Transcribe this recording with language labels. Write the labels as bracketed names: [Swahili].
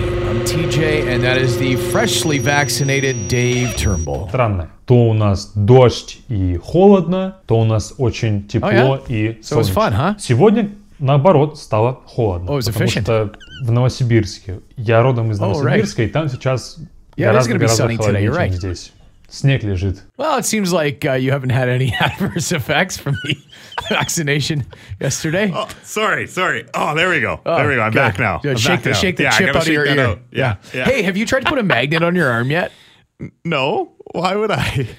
[English] I'm TJ, and that is the freshly vaccinated Dave Turnbull. [Russian] Странно. То у нас дождь и холодно, то у нас очень тепло и солнечно. [English] So it was fun, huh? [Russian] Сегодня, наоборот, стало холодно. [English] Oh, it was efficient. [Russian] Потому что в Новосибирске. Я родом из Новосибирска, и там сейчас гораздо холоднее, чем [English] right. [Russian] здесь. Снег лежит. [English] Well, it seems like you haven't had any adverse effects from the vaccination yesterday. Oh, sorry. Oh, there we go. I'm good. Back now. Yeah, shake the yeah, chip out of your ear. Yeah. Hey, have you tried to put a magnet on your arm yet? No. Why would I?